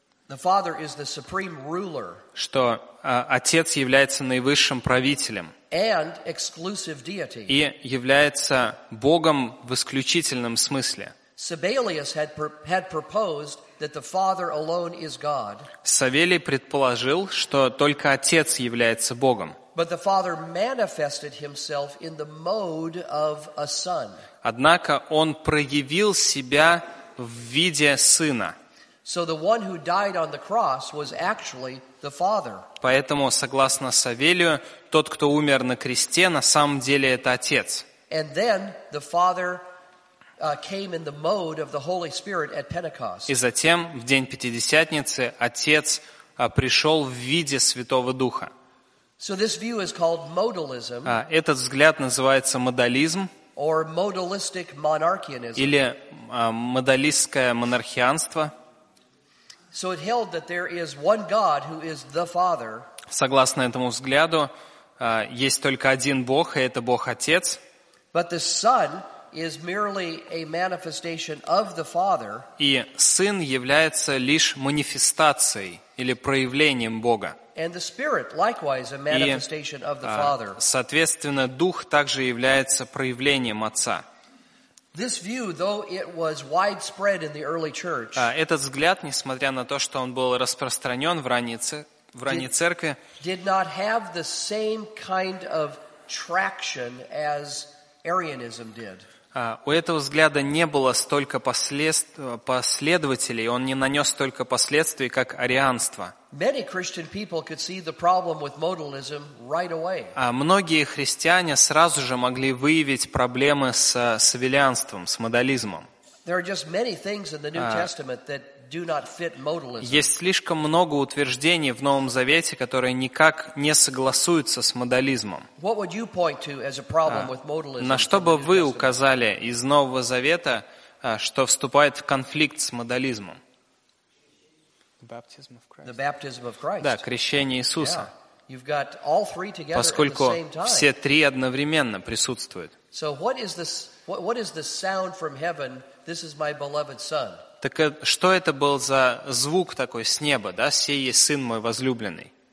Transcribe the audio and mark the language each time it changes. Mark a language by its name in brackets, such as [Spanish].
[English] The Father is the supreme ruler. [Russian] Что отец является наивысшим правителем. [English] And exclusive deity. [Russian] И является Богом в исключительном смысле. [English] Sabellius had proposed that the Father alone is God. [Russian] Савелий предположил, что только отец является Богом. [English] But the Father manifested himself in the mode of a son. [Russian] Однако он проявил себя в виде сына. [English] So the one who died on the cross was actually the Father. [Russian] Поэтому, согласно Савелию, тот, кто умер на кресте, на самом деле это отец. [English] And then the Father came in the mode of the Holy Spirit at Pentecost. [Russian] И затем в день Пятидесятницы отец пришел в виде Святого Духа. [English] So this view is called modalism. [Russian] Этот взгляд называется модализм. [English] Or modalistic monarchianism. [Russian] Или модалистское монархианство. [English] So it held that there is one God who is the Father. [Russian] Согласно этому взгляду, есть только один Бог, и это Бог Отец. [English] But the Son is merely a manifestation of the Father. [Russian] И Сын является лишь манифестацией или проявлением Бога. [English] And the Spirit likewise a manifestation of the Father. [Russian] Соответственно, Дух также является проявлением Отца. [English] This view, though it was widespread in the early church, [Russian] этот взгляд, несмотря на то, что он был распространен в ранней церкви, [English] did not have the same kind of traction as Arianism did. [Russian] У этого взгляда не было столько последователей, он не нанес столько последствий, как арианство. [English] Many Christian people could see the problem with modalism right away. [Russian] Многие христиане сразу же могли выявить проблемы с савелианством, с модализмом. [English] There are just many things in the New Testament that do not fit modalism. [Russian] Есть слишком много утверждений в Новом Завете, которые никак не согласуются с модализмом. [English] What would you point to as a problem with modalism? [Russian] На что бы вы указали из Нового Завета, что вступает в конфликт с модализмом? [English] The baptism of Christ. [Russian] Да, крещение Иисуса. [English] Yeah. You've got all three together at the same time. [Russian] Поскольку все три одновременно присутствуют. [English] So what is the sound from heaven? This is my beloved son. [Russian] Так что это был за звук такой с неба, да? Сей есть сын мой возлюбленный.